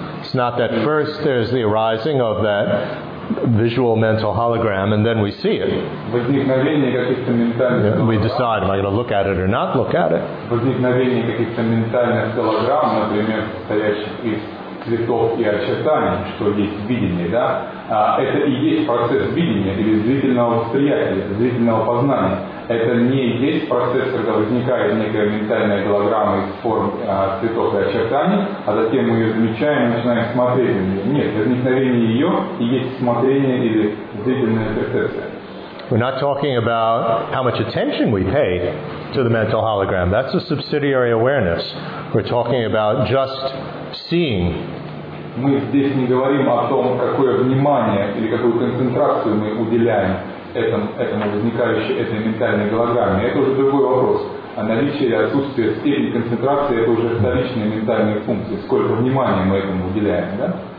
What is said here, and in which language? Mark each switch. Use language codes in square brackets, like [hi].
[en] It's not that first there's the arising of that visual mental hologram and then we see it. [ru] Возникновение каких-то ментальных голограмм. [en] We decide, am I going to look at it or not look at it? [ru] Возникновение каких-то ментальных голограмм, например, состоящих из цветов и очертаний, что есть видение, да? Это и есть процесс видения или зрительного восприятия, зрительного познания. Это не есть процесс, когда возникает некая ментальная голограмма из форм цветов и очертаний, а затем мы ее замечаем и начинаем смотреть на нее. Нет, возникновение ее и есть смотрение или зрительная перцепция. [en] We're not talking about how much attention we pay to the mental hologram. That's a subsidiary awareness. We're talking about just seeing. [ru] Мы здесь не говорим о том, какое внимание или какую концентрацию мы уделяем этому возникающей этой ментальной голограмме. Это уже другой вопрос. А наличие или отсутствие степени концентрации это уже вторичные ментальные функции. Сколько внимания мы этому уделяем, да?